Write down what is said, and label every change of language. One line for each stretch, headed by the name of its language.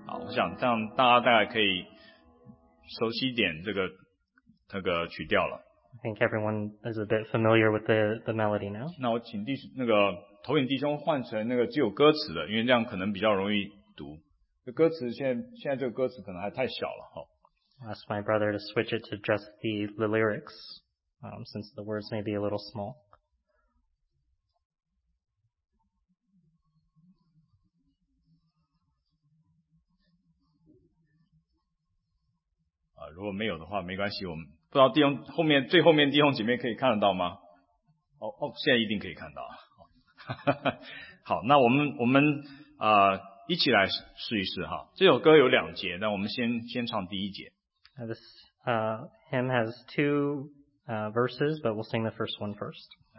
Chinese: 这样大家大概可以熟悉一点这个曲调了。
English: I think everyone is a bit familiar with the melody now.
Chinese: 那我请投影弟兄换成那个只有歌词的，因为这样可能比较容易读。歌词现在这个歌词可能还太小了。
English: Ask my brother to switch it to just the lyrics, since the words may be a little small.
Chinese: 如果没有的话没关系，我们不知道最后面弟兄姐妹可以看得到吗？哦，现在一定可以看到。好，那我们一起来试一试哈。这首歌有两节，那我们先唱第一节。
English: This hymn has two verses, but we'll sing the first one first.